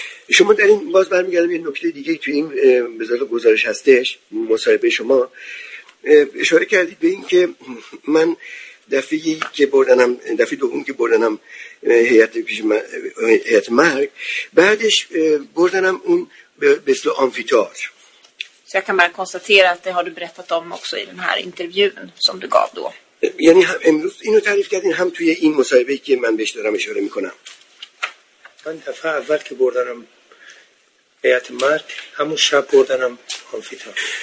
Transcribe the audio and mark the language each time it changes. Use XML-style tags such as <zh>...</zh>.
<fa>شما در این باز برمیگردم یه نکته دیگه تو این به ذات گزارش هستش مصاحبه شما اشاره کردید به این که من دفعه‌ای که بردنم دفعه دوم که بردنم هیئت مرگ بعدش بردنم اون بسل آمفیتار.</fa> <sv>Så jag kan bara konstatera att det har du berättat om också i den här intervjun som du gav då.</sv> <fa>Yani امروز اینو تعریف کردین هم توی این مصاحبه که من بهش دارم اشاره میکنم. من دفعه اول که بردنم هیئت مرگ همون شب بردنم آمفیتار.</fa>